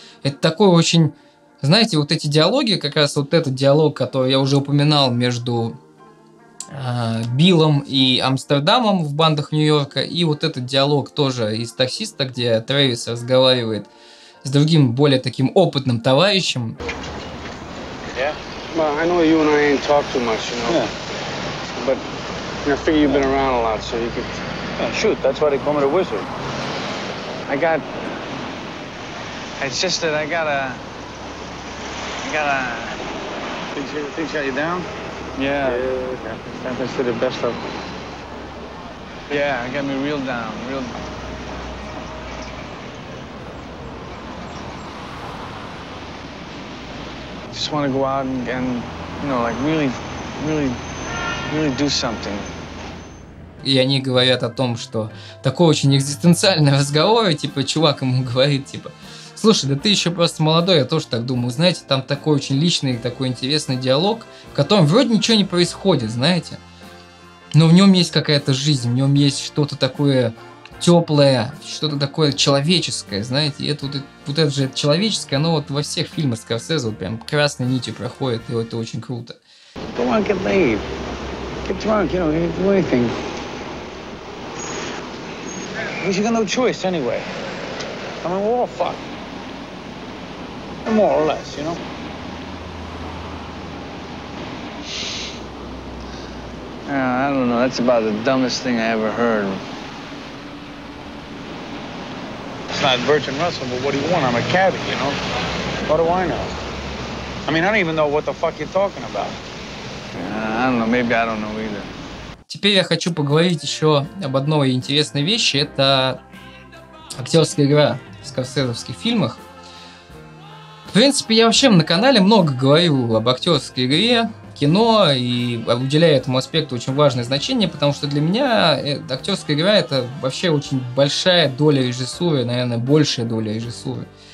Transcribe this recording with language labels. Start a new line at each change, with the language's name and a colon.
Russian: Это такой очень, знаете, вот эти диалоги, как раз вот этот диалог, который я уже упоминал между Биллом и Амстердамом в «Бандах Нью-Йорка», и вот этот диалог тоже из «Таксиста», где Трэвис разговаривает с другим более таким опытным товарищем.
English: Well, I know you and I ain't talked too much, you know. Yeah. But you know, I figure you've been around a lot, so you could... Yeah, shoot, that's why they call me the wizard. I got... It's just that I got a... Things got you down? Yeah. Yeah, that's the best of... Yeah, it got me real down, real... I just want to go out and you know, like really, really, really do something.
Russian: И они говорят о том, что такой очень экзистенциальный разговор, и, типа, чувак ему говорит, типа, слушай, да ты еще просто молодой, я тоже так думаю, знаете, там такой очень личный, такой интересный диалог, в котором вроде ничего не происходит, знаете, но в нем есть какая-то жизнь, в нем есть что-то такое теплое, что-то такое человеческое, знаете, и это вот это же человеческое, оно вот во всех фильмах Скорсезе вот прям красной нитью проходит, и вот это очень круто.
English: Go on, get laid. Get drunk, you know, do anything. Because you got no choice anyway. I mean, we're all fucked. More or less, you know. I don't know, that's about the dumbest thing I ever heard. Not Bertrand Russell, but what do you want? I'm a cabbie, you know? What do I know? I mean, I don't even know what the fuck you're talking about. I don't know, maybe I don't know either.
Russian: Теперь я хочу поговорить еще об одной интересной вещи. Это актерская игра в скорсезовских фильмах. В принципе, я вообще на канале много говорю об актерской игре, кино, и уделяю этому аспекту очень важное значение, потому что для меня актерская игра — это вообще очень большая доля режиссуры, наверное, большая доля режиссуры.